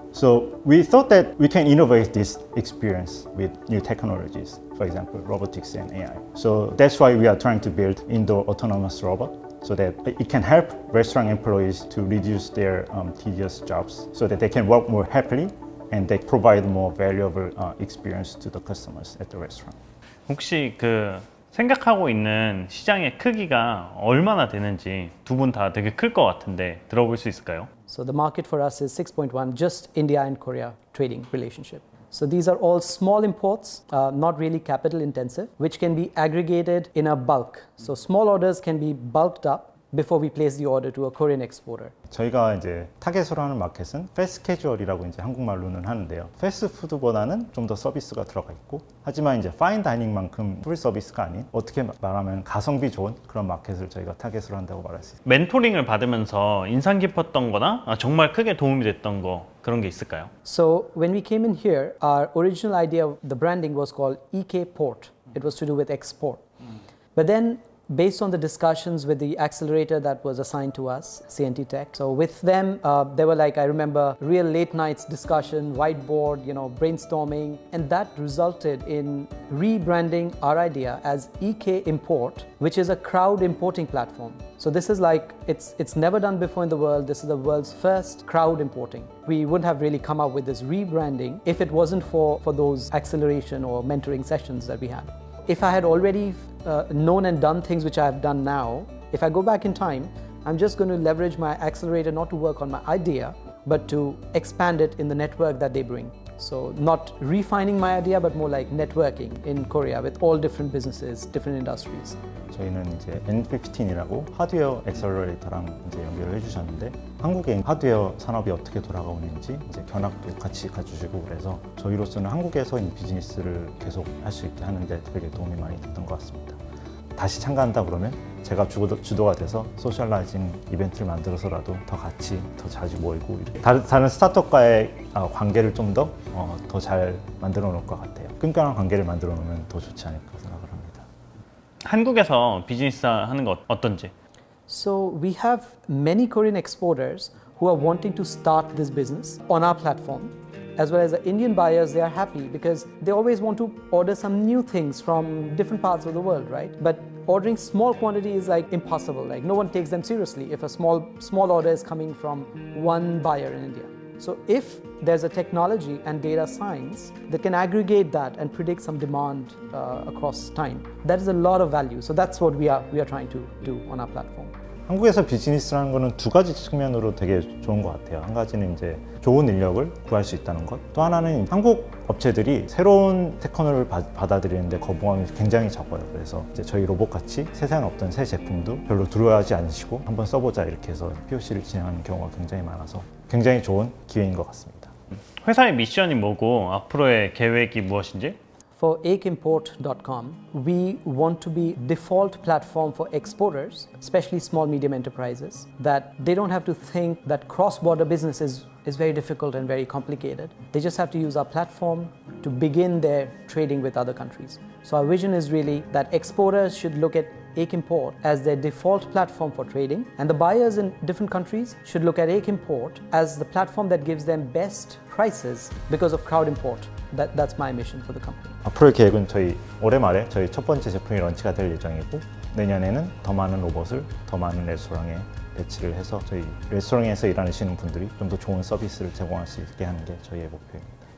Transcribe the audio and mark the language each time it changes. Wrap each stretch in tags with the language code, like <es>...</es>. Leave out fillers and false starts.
<en>So we thought that we can innovate this experience with new technologies, for example, robotics and AI. So that's why we are trying to build indoor autonomous robot, so that it can help restaurant employees to reduce their tedious jobs so that they can work more happily and they provide more valuable experience to the customers at the restaurant.</en> <ko>혹시 그 생각하고 있는 시장의 크기가 얼마나 되는지 두 분 다 되게 클 것 같은데 들어볼 수 있을까요?</ko> <en>So the market for us is 6.1, just India and Korea trading relationship. So these are all small imports, not really capital intensive, which can be aggregated in a bulk. So small orders can be bulked up before we place the order to a Korean exporter.</en> <ko>저희가 이제 타겟으로 하는 마켓은 패스트 캐주얼이라고 이제 한국말로는 하는데요. 패스트푸드보다는 좀 더 서비스가 들어가 있고 하지만 이제 파인 다이닝만큼 풀 서비스가 아닌 어떻게 말하면 가성비 좋은 그런 마켓을 저희가 타겟으로 한다고 말할 수 있어요. 멘토링을 받으면서 인상 깊었던 거나 정말 크게 도움이 됐던 거 그런 게 있을까요?</ko> <en>So when we came in here, our original idea of the branding was called EK Port. It was to do with export. But then based on the discussions with the accelerator that was assigned to us, CNT Tech. So with them, they were like, I remember real late nights discussion, whiteboard, you know, brainstorming. And that resulted in rebranding our idea as EK Import, which is a crowd importing platform. So this is like, it's never done before in the world. This is the world's first crowd importing. We wouldn't have really come up with this rebranding if it wasn't for those acceleration or mentoring sessions that we had. If I had already known and done things which I have done now, if I go back in time, I'm just going to leverage my accelerator not to work on my idea, but to expand it in the network that they bring. So not refining my idea, but more like networking in Korea with all different businesses, different industries.</en> <ko>저희는 이제 N15이라고 하드웨어 엑셀러레이터랑 이제 연결을 해주셨는데 한국의 하드웨어 산업이 어떻게 돌아가오는지 이제 견학도 같이 가주시고 그래서 저희로서는 한국에서 이 비즈니스를 계속 할 수 있게 하는데 되게 도움이 많이 됐던 것 같습니다. 다시 참가한다 그러면 제가 주도가 돼서 소셜라이징 이벤트를 만들어서라도 더 같이 더 자주 모이고 이렇게 다른 스타트업과의 관계를 좀 더 더 잘 만들어 놓을 것 같아요. 끈끈한 관계를 만들어 놓으면 더 좋지 않을까 생각을 합니다. 한국에서 비즈니스 하는 거 어떤지?</ko> <en>So we have many Korean exporters who are wanting to start this business on our platform. As well as the Indian buyers, they are happy because they always want to order some new things from different parts of the world, right? But ordering small quantity is like impossible. Like no one takes them seriously if a small order is coming from one buyer in India. So if there's a technology and data science that can aggregate that and predict some demand across time, that is a lot of value. So that's what we are trying to do on our platform.</en> <ko>한국에서 비즈니스라는 거는 두 가지 측면으로 되게 좋은 것 같아요. 한 가지는 이제 좋은 인력을 구할 수 있다는 것. 또 하나는 한국 업체들이 새로운 테크놀을 받아들이는데 거부감이 굉장히 적어요. 그래서 이제 저희 로봇같이 세상에 없던 새 제품도 별로 두려워하지 않으시고 한번 써보자 이렇게 해서 POC를 진행하는 경우가 굉장히 많아서 굉장히 좋은 기회인 것 같습니다. 회사의 미션이 뭐고 앞으로의 계획이 무엇인지?</ko> <en>For akimport.com, we want to be default platform for exporters, especially small medium enterprises, that they don't have to think that cross-border business is very difficult and very complicated. They just have to use our platform to begin their trading with other countries. So our vision is really that exporters should look at akimport as their default platform for trading, and the buyers in different countries should look at akimport as the platform that gives them best prices because of crowd import. That's my mission for the company.</en> <ko>앞으로의 계획은 저희 올해 말에 저희 첫 번째 제품이 런치가 될 예정이고 내년에는 더 많은 로봇을 더 많은 레스토랑에 배치를 해서 저희 레스토랑에서 일하시는 분들이 좀 더 좋은 서비스를 제공할 수 있게 하는 게 저희의 목표입니다.</ko>